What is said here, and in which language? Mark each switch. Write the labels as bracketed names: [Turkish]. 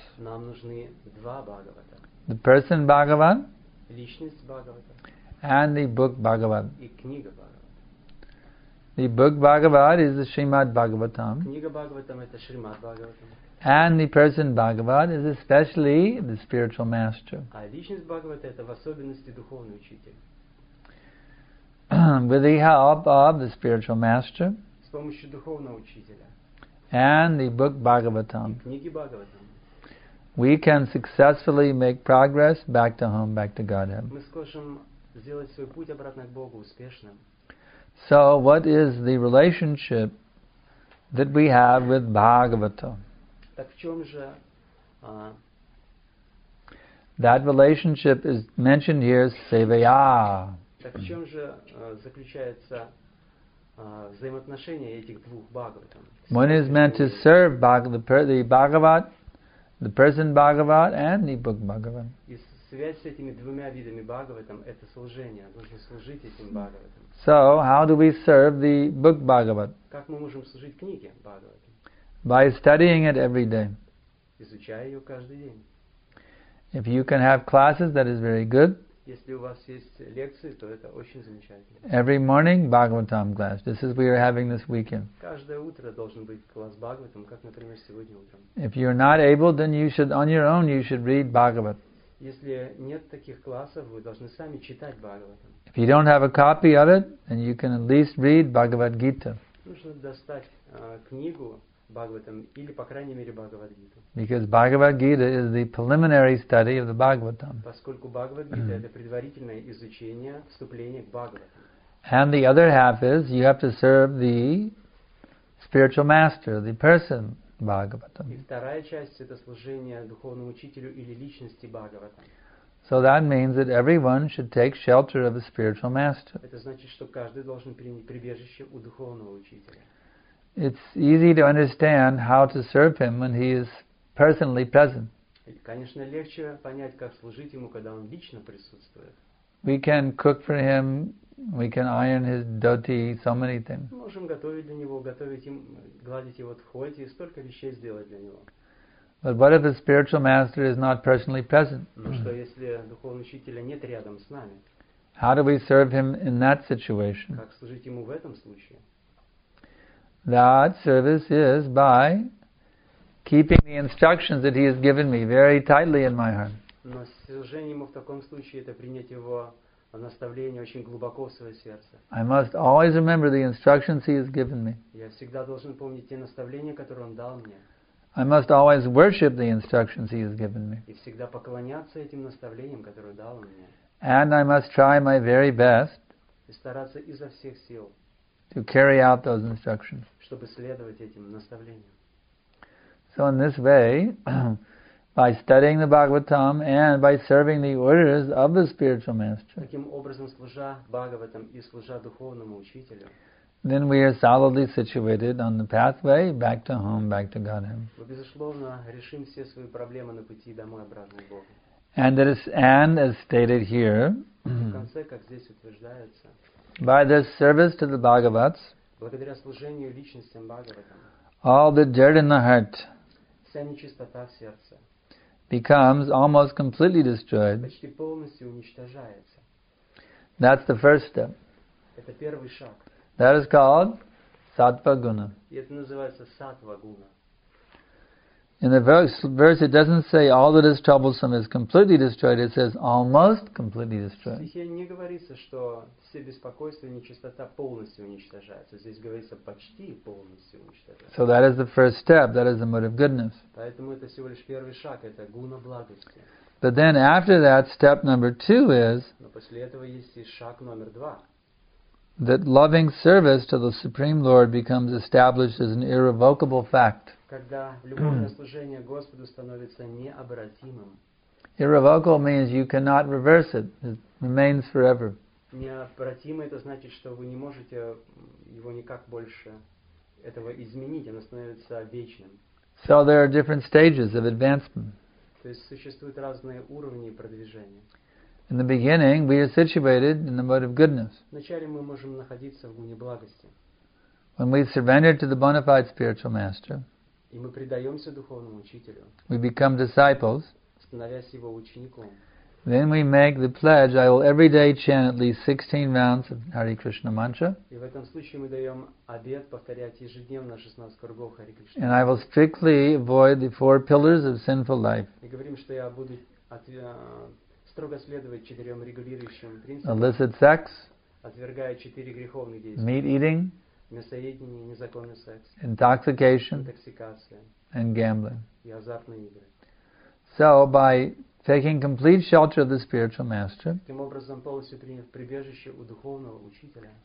[Russian] Нам нужны два Бхагавата. [English] The person Bhagavan. [Russian] Личность Бхагавата. [English] And the book Bhagavan. [Russian] И книга Бхагавата. [English] The book Bhagavat is the Srimad Bhagavatam. [Russian] Книга Бхагаватам это Шримад Бхагаватам. [English] And the person Bhagavan is especially the spiritual master. [Russian] А личность Бхагавата это в особенности духовный учитель. [English] With the help of the spiritual master. [Russian] С помощью духовного учителя. [English] And the book Bhagavatam. [Russian] Книги Бхагаватам. [English] We can successfully make progress back to home, back to Godhead. [Russian] Мы сможем сделать свой путь обратно к Богу успешным. [English] So, what is the relationship that we have with Bhagavata? [Russian] Так в чем же? [English] That relationship is mentioned here, Sevaya. [Russian] Так в чем же заключается взаимоотношения этих двух Бхагаватам. [English] One is meant to serve the Bhagavat, the person Bhagavat, and the book Bhagavat. [Russian] И связь с этими двумя видами Бхагаватам это служение. Нужно служить этим Бхагаватам. [English] So, how do we serve the book Bhagavat? [Russian] Как мы можем служить книге Бхагавата? [English] By studying it every day. [Russian] Изучая ее каждый день. [English] If you can have classes, that is very good. [Russian] Если у вас есть лекции, то это очень замечательно. [English] Every morning Bhagavatam class. This is what we are having this weekend. [Russian] Каждое утро должен быть класс Бхагаватам, как, например, сегодня утром. [English] If you are not able, then you should on your own you should read Bhagavat. [Russian] Если нет таких классов, вы должны сами читать Бхагаватам. [English] If you don't have a copy of it, then you can at least read Bhagavad Gita. [Russian] Нужно достать книгу Бхагаватам или по крайней мере Бхагавад Гиту. [English] Because Bhagavad Gita is the preliminary study of the Bhagavatam. [Russian] Поскольку Бхагавад Гита это предварительное изучение, вступление к Бхагаватам. [English] And the other half is you have to serve the spiritual master, the person Bhagavatam. [Russian] И вторая часть это служение духовному учителю или личности Бхагаватам. [English] So that means that everyone should take shelter of a spiritual master. [Russian] Это значит, что каждый должен принять прибежище у духовного учителя. [English] It's easy to understand how to serve him when he is personally present. [Russian] Конечно, легче понять, как служить ему, когда он лично присутствует. [English] We can cook for him, we can iron his dhoti, so many things. [Russian] Мы можем готовить для него, готовить им, гладить его дхоти и столько вещей сделать для него. [English] But what if the spiritual master is not personally present? [Russian] Ну что, если духовный учитель нет рядом с нами? [English] How do we serve him in that situation? [Russian] Как служить ему в этом случае? [English] That service is by keeping the instructions that he has given me very tightly in my heart. [Russian] Но служение ему в таком случае это принять его наставление очень глубоко в свое сердце. [English] I must always remember the instructions he has given me. [Russian] Я всегда должен помнить те наставления, которые он дал мне. [English] I must always worship the instructions he has given me. [Russian] И всегда поклоняться этим наставлениям, которые дал он мне. [English] And I must try my very best. [Russian] И стараться изо всех сил. [English] To carry out those instructions. [Russian] Чтобы следовать этим наставлениям. [English] So in this way. By studying the Bhagavatam and by serving the orders of the spiritual master. [Russian] Таким образом, служа Бхагаватам и служа духовному учителю. [English] Then we are solidly situated on the pathway back to home, back to Godhead. [Russian] Мы безусловно решим все свои проблемы на пути домой обратно к Богу. [English] And as stated here. [Russian] В конце, как здесь утверждается. [English] By the service to the Bhagavats. [Russian] Благодаря служению личностям Бхагаватам. [English] All the dirt in the heart. [Russian] Вся нечистота в сердце. [English] Becomes almost completely destroyed. [Russian] Почти полностью уничтожается. [English] That's the first step. [Russian] Это первый шаг. [English] That is called sattva guna. [Russian] И это называется sattva guna. [English] In the verse it doesn't say all that is troublesome is completely destroyed. It says almost completely destroyed. [Russian] В стихе не говорится, что все беспокойства и нечистота полностью уничтожаются. Здесь говорится почти полностью уничтожается. [English] So that is the first step. That is the mode of goodness. [Russian] Поэтому это всего лишь первый шаг. Это гуна благости. [English] But then after that, step number two is. [Russian] Но после этого есть и шаг номер два. [English] That loving service to the Supreme Lord becomes established as an irrevocable fact. [Russian] Когда любовное служение Господу становится необратимым. [English] Irrevocable means you cannot reverse it. It remains forever. [Russian] Необратимо это значит, что вы не можете его никак больше этого изменить. Оно становится вечным. [English] So there are different stages of advancement. [Russian] То есть существуют разные уровни продвижения. [English] In the beginning, we are situated in the mode of goodness. [Russian] Вначале мы можем находиться в гуне благости. [English] When we surrender to the bona fide spiritual master, [Russian] и мы предаемся духовному учителю, [English] we become disciples, [Russian] становясь его учеником, [English] then we make the pledge, I will every day chant at least 16 rounds of Hare Krishna mantra, [Russian] и в этом случае мы даем обет повторять ежедневно 16 кругов Hare Krishna, [English] and I will strictly avoid the four pillars of sinful life. [Russian] И говорим, что я буду строго следовать четырем регулирующим принципам. [English] Illicit sex. [Russian] Отвергая четыре греховных действия. [English] Meat eating. [Russian] Мясоедение, незаконный секс. [English] Intoxication. [Russian] Интоксикация. [English] And gambling. [Russian] И азартные игры. [English] So, by taking complete shelter of the spiritual master. [Russian] Таким образом, полностью приняв прибежище у духовного учителя.